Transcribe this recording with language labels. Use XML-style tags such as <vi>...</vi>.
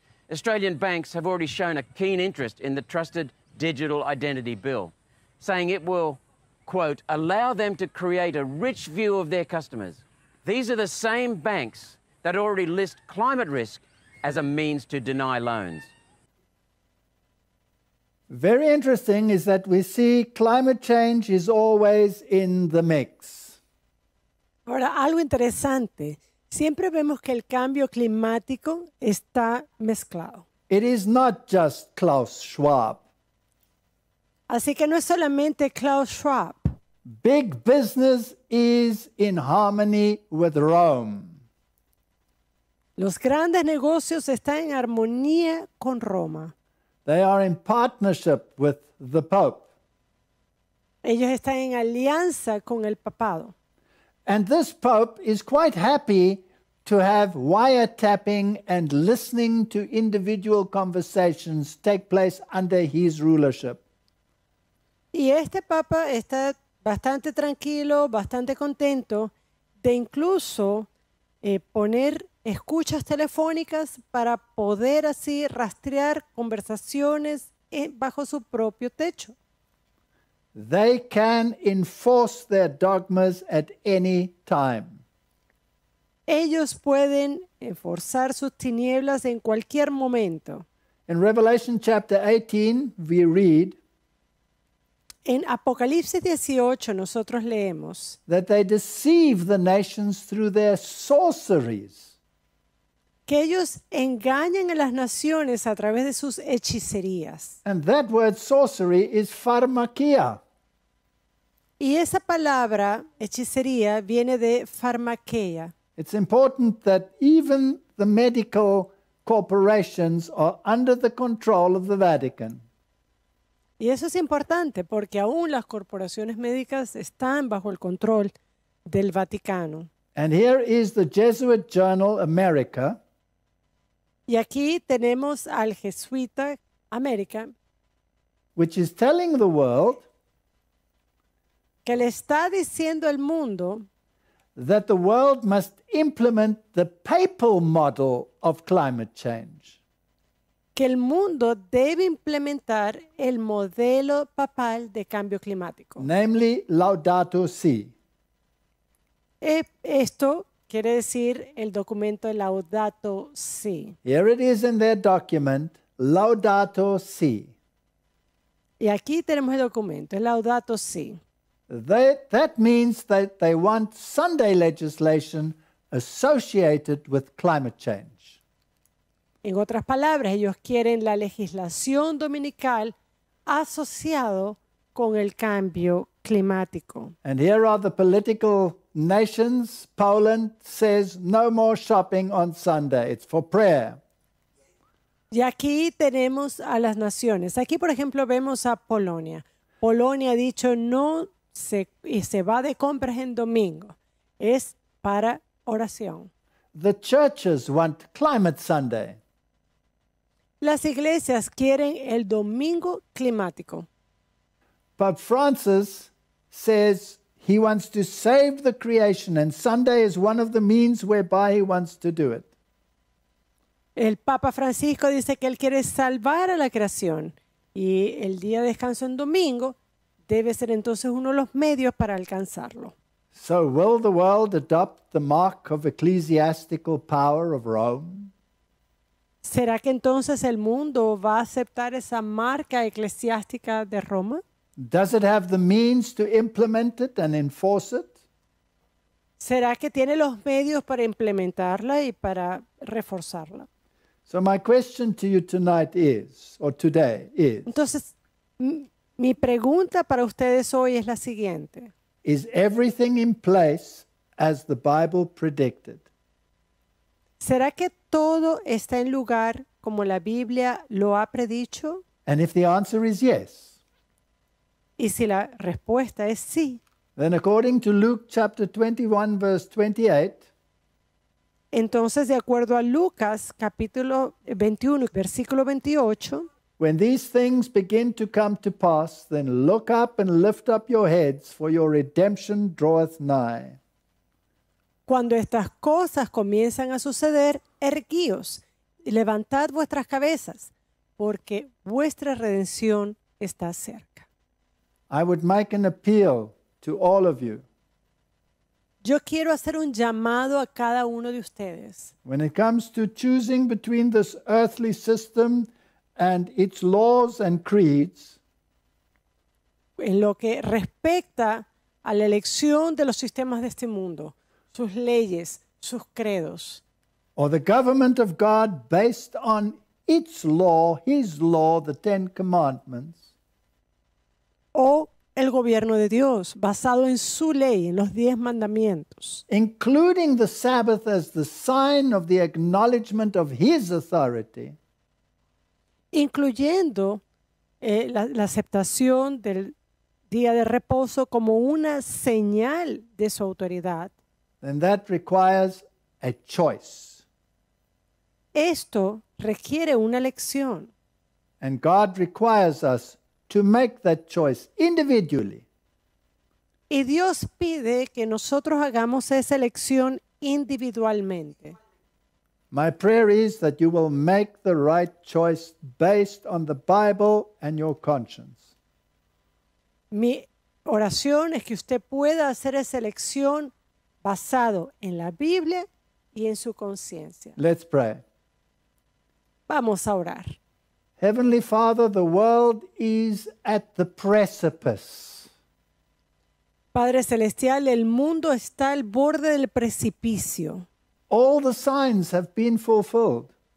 <en>Australian banks have already shown a keen interest in the Trusted Digital Identity Bill, saying it will, quote, allow them to create a rich view of their customers. These are the same banks that already list climate risk as a means to deny loans. Very interesting is that we see climate change is always in the mix.</en> <es>Ahora, algo interesante. Siempre vemos que el cambio climático está mezclado.</es> <en>It is not just Klaus Schwab.</en> <es>Así que no es solamente Klaus Schwab.</es> <en>Big business is in harmony with Rome.</en> <es>Los grandes negocios están en armonía con Roma.</es> <en>They are in partnership with the Pope.</en> <es>Ellos están en alianza con el papado.</es> <en>And this Pope is quite happy to have wiretapping and listening to individual conversations take place under his rulership.</en> <es>Y este Papa está bastante tranquilo, bastante contento de incluso poner escuchas telefónicas para poder así rastrear conversaciones bajo su propio techo.</es> <en>They can enforce their dogmas at any time.</en> <es>Ellos pueden enforzar sus tinieblas en cualquier momento.</es> <en>In Revelation chapter 18, we read.</en> <es>En Apocalipsis 18, nosotros leemos.</es> <en>That they deceive the nations through their sorceries.</en> <es>Que ellos engañan a las naciones a través de sus hechicerías.</es> <en>And that word sorcery is pharmakia.</en> <es>Y esa palabra hechicería viene de farmaqueia.</es> <en>It's important that even the medical corporations are under the control of the Vatican.</en> <es>Y eso es importante porque aún las corporaciones médicas están bajo el control del Vaticano.</es> <en>And here is the Jesuit Journal America.</en> <es>Y aquí tenemos al jesuita América,</es> <en>which is telling the world,</en> <es>que le está diciendo al mundo,</es> <en>that the world must implement the papal model of climate change.</en> <es>Que el mundo debe implementar el modelo papal de cambio climático.</es> <en>Namely, Laudato Si.</en> <es>Esto quiere decir el documento Laudato Si.</es> <en>Here it is in their document, Laudato Si.</en> <es>Y aquí tenemos el documento, Laudato Si.</es> <en>That means that they want Sunday legislation associated with climate change.</en> <es>En otras palabras, ellos quieren la legislación dominical asociado con el cambio climático.</es> <en>And here are the political nations. Poland says no more shopping on Sunday. It's for prayer.</en> <es>Y aquí tenemos a las naciones. Aquí, por ejemplo, vemos a Polonia. Polonia ha dicho no se va de compras en domingo. Es para oración.</es> <en>The churches want climate Sunday.</en> <es>Las iglesias quieren el domingo climático.</es> <en>Pope Francis says he wants to save the creation and Sunday is one of the means whereby he wants to do it.</en> <es>El Papa Francisco dice que él quiere salvar a la creación y el día de descanso en domingo debe ser entonces uno de los medios para alcanzarlo.</es> <en>So will the world adopt the mark of ecclesiastical power of Rome?</en> <es>¿Será que entonces el mundo va a aceptar esa marca eclesiástica de Roma?</es> <en>Does it have the means to implement it and enforce it?</en> <es>¿Será que tiene los medios para implementarla y para reforzarla?</es> <en>So my question to you tonight is, or today is.</en> <es>Entonces, mi pregunta para ustedes hoy es la siguiente.</es> <en>Is everything in place as the Bible predicted?</en> <es>¿Será que todo está en lugar como la Biblia lo ha predicho?</es> <en>And if the answer is yes.</en> <es>Y si la respuesta es sí.</es> <en>Then according to Luke chapter 21 verse 28.</en> <es>Entonces, de acuerdo a Lucas, capítulo 21, versículo 28.</es> <en>When these things begin to come to pass, then look up and lift up your heads, for your redemption draweth nigh.</en> <es>Cuando estas cosas comienzan a suceder, erguíos, levantad vuestras cabezas, porque vuestra redención está cerca.</es> <en>I would make an appeal to all of you.</en> <es>Yo quiero hacer un llamado a cada uno de ustedes.</es> <en>When it comes to choosing between this earthly system and its laws and creeds,</en> <es>en lo que respecta a la elección de los sistemas de este mundo, sus leyes, sus credos,</es> <en>or the government of God based on its law, his law, the Ten Commandments,</en> <es>o el gobierno de Dios, basado en su ley, en los 10 mandamientos.</es> <en>Including the Sabbath as the sign of the acknowledgement of his authority.</en> <es>Incluyendo la aceptación del día de reposo como una señal de su autoridad.</es> <en>Then that requires a choice.</en> <es>Esto requiere una elección.</es> <en>And God requires us to make that choice individually.</en> <es>Y Dios pide que nosotros hagamos esa elección individualmente.</es> <en>My prayer is that you will make the right choice based on the Bible and your conscience.</en> <es>Mi oración es que usted pueda hacer esa elección basado en la Biblia y en su conciencia.</es> <en>Let's pray.</en> <es>Vamos a orar.</es> <en>Heavenly Father, the world is at the precipice.</en> <es>Padre Celestial, el mundo está al borde del precipicio.</es> <en>All the signs have been fulfilled.</en>